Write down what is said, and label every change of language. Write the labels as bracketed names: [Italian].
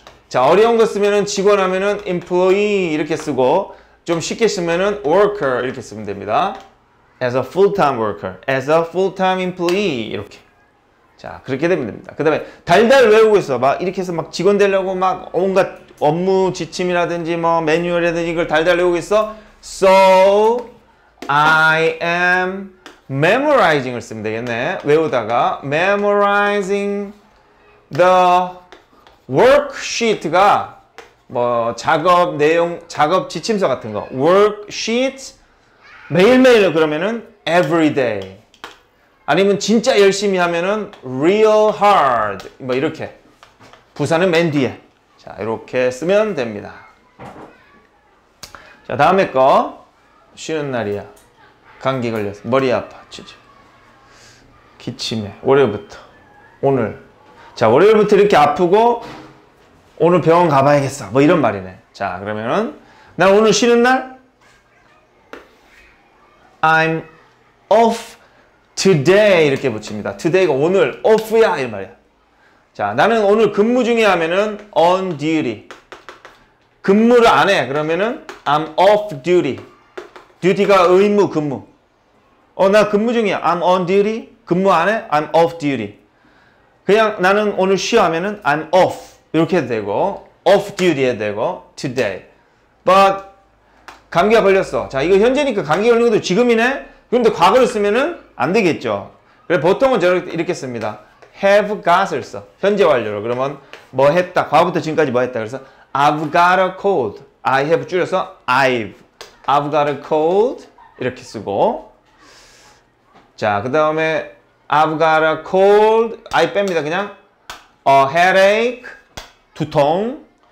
[Korean] 자, 어려운 거 쓰면은 직원 하면은 employee 이렇게 쓰고, 좀 쉽게 쓰면은 worker 이렇게 쓰면 됩니다. [English] as a full time worker, as a full time employee 이렇게. [Korean] 자, 그렇게 되면 됩니다. 그 다음에 달달 외우고 있어. 막 이렇게 해서 막 직원 되려고 막 온갖 업무 지침이라든지 뭐 매뉴얼이라든지 이걸 달달 외우고 있어. [English] So I am memorizing을 [Korean] 쓰면 되겠네. 외우다가 [English] memorizing the worksheet [Korean] 가 뭐 작업 내용, 작업 지침서 같은 거. [English] worksheet [Korean] 매일매일 그러면은 [English] every day. [Korean] 아니면 진짜 열심히 하면은 [English] real hard [Korean] 뭐 이렇게. 부사는 맨 뒤에. 자, 이렇게 쓰면 됩니다. 자, 다음에 거. 쉬는 날이야. 감기 걸려서 머리 아파. 치즈. 기침해. 월요일부터. 오늘. 자, 월요일부터 이렇게 아프고 오늘 병원 가봐야겠어. 뭐 이런 말이네. 자, 그러면은 난 오늘 쉬는 날. [English] I'm off today [Korean] 이렇게 붙입니다. today가 오늘, off야 이런 말이야. 자, 나는 오늘 근무 중에 하면은 [English] on duty. [Korean] 근무를 안 해. [English] 그러면은 I'm off duty. [Korean] duty가 의무, 근무. 나 근무 중이야. [English] I'm on duty. [Korean] 근무 안 해. [English] I'm off duty. [Korean] 그냥 나는 오늘 쉬어 하면은 [English] I'm off [Korean] 이렇게 해도 되고, [English] off duty [Korean] 해도 되고, today. but 감기가 걸렸어. 자, 이거 현재니까 감기 걸린 것도 지금이네. 그런데 과거를 쓰면은 안 되겠죠. 그래, 보통은 저렇게 이렇게 씁니다. have got을 써. 현재 완료로. 그러면 뭐 했다. 과거부터 지금까지 뭐 했다. [English] 그래서 I've got a cold. I have 줄여서 I've. I've got a cold. [Korean] 이렇게 쓰고. 자, 그 다음에 [English] I've got a cold. [Korean] I 뺍니다. [English] 그냥 a headache. [Korean] 두통.